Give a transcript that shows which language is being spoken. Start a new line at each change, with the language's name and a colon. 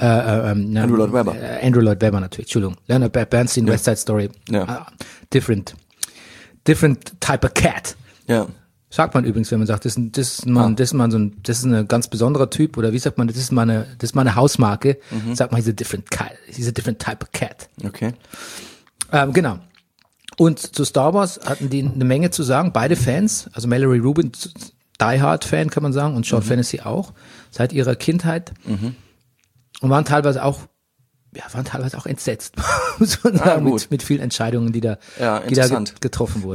German: Andrew Lloyd Webber. Andrew Lloyd Webber natürlich, Entschuldigung. Leonard Bernstein, ja. West Side Story. Ja.
English: Different type of cat.
German: Ja. Sagt man übrigens, wenn man sagt, das ist ein ganz besonderer Typ, oder wie sagt man, das ist meine Hausmarke. Mhm. Sagt man,
English: he's a different type of cat.
German: Okay. Genau. Und zu Star Wars hatten die eine Menge zu sagen, beide Fans, also Mallory Rubin, Die Hard Fan, kann man sagen, und Sean Fantasy auch, seit ihrer Kindheit. Mhm. Und waren teilweise auch entsetzt. mit vielen Entscheidungen, die da getroffen wurden.